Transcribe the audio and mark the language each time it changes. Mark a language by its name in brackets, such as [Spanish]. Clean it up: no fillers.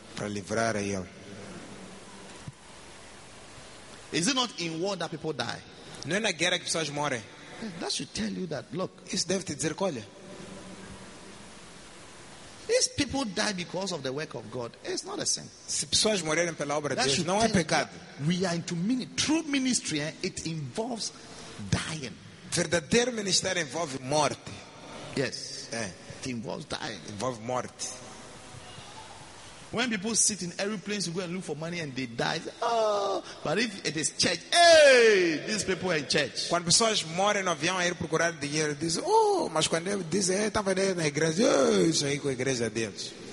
[Portuguese] Para livrar a ele. [English] Is it not in war that people die? [Portuguese] Não é na guerra que pessoas morrem. [English] That should tell you that. Look. [Portuguese] Isso deve te dizer, olha. [English] If people die because of the work of God, it's not a sin. [Portuguese] Se pessoas morrerem pela obra de Deus, não é pecado. [English] We are into ministry. True ministry, it involves dying. [Portuguese] Verdadeiro ministério envolve morte. [English] Yes. [Portuguese] É. [English] It involves dying. [Portuguese] Involve morte. [English] When people sit in airplanes to go and look for money and they die, say, oh, but if it is church, hey, these people are in church. [Portuguese] Quando pessoas morrem no avião a ir procurar dinheiro, dizem, oh, mas quando eles dizem, hey, estava na igreja, oh, isso aí com a igreja de Deus.